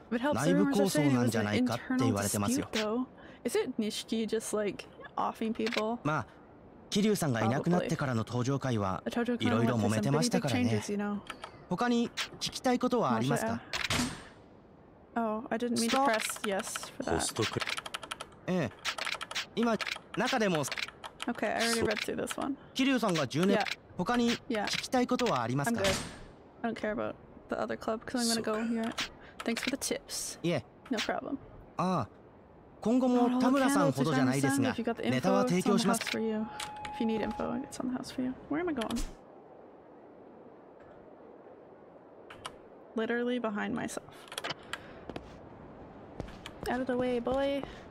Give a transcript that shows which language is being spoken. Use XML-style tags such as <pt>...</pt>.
<en>But helps the rumors are saying it was an internal dispute, though. Is it Nishiki just, like, offing people?</en> <ja>まあ、キリュウさんがいなくなってからの登場会は… いろいろ揉めてましたからね。他に聞きたいことはありますか？</ja> <en>Oh, I didn't mean to press yes for that.</en> <ja>ホストクラブ… ええ。今、中でも…</ja> <en>Okay, I already read through this one.</en> <ja>キリュウさんが 10年…</ja> <en>Yeah.</en> <ja>他に聞きたいことはありますか？</ja> <en>I'm good. I don't care about the other club, because I'm gonna go here. Thanks for the tips. Yeah. No problem.</en> <ja>ああ。今後も田村さんほどじゃないですが、 ネタは提供します。</ja> <en>If you need info, it's on the house for you. Where am I going? Literally behind myself. Out of the way, boy!</en>